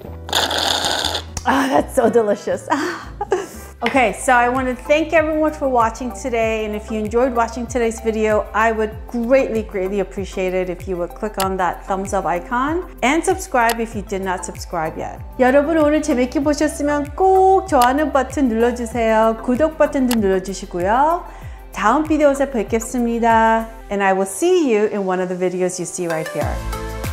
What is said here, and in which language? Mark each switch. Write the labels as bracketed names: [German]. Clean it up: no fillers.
[English] Ah, that's so delicious. Okay, so I want to thank everyone for watching today. And if you enjoyed watching today's video, I would greatly, greatly appreciate it if you would click on that thumbs up icon and subscribe if you did not subscribe yet. [Korean] 여러분, 오늘 재밌게 보셨으면 꼭 좋아하는 버튼 눌러주세요. 구독 버튼도 눌러주시고요. 다음 비디오에서 뵙겠습니다. [English] And I will see you in one of the videos you see right here.